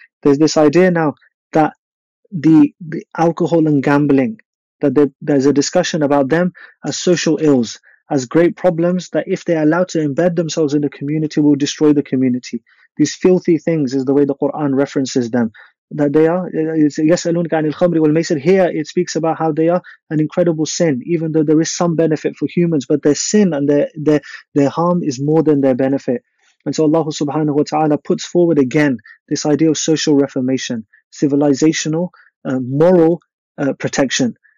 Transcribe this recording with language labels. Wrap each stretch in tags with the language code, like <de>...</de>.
<en>There's this idea now that the alcohol and gambling, that there's a discussion about them as social ills, as great problems, that if they're allowed to embed themselves in the community, will destroy the community. These filthy things is the way the Quran references them. That they are,</en> <ar>يَسْأَلُونَكَ عَنِ الْخَمْرِ وَالْمَيْسِرِ.</ar> <en>Here it speaks about how they are an incredible sin, even though there is some benefit for humans, but their sin and their harm is more than their benefit. And so Allah subhanahu wa ta'ala puts forward again this idea of social reformation, civilizational, moral protection.</en>